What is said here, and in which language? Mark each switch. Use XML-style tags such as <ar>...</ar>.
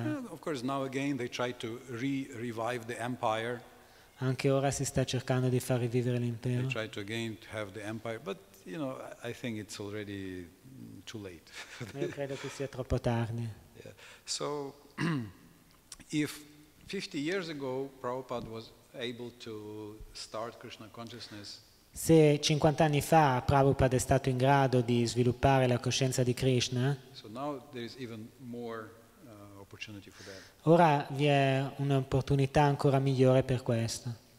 <en>Yeah, of course, now again they try to revive the empire.</en> <it>Anche ora si sta cercando di far rivivere l'impero.</it> <en>They try to again have the empire, but you know, I think it's already too late.</en> <it>Io credo che sia troppo tardi.</it> <en>Yeah. So if 50 years ago Prabhupada was able to start Krishna consciousness.</en> <it>Se 50 anni fa Prabhupada è stato in grado di sviluppare la coscienza di Krishna.</it> <en>So now there is even more opportunity for that.</en> <it>Ora vi è un'opportunità ancora migliore per questo.</it>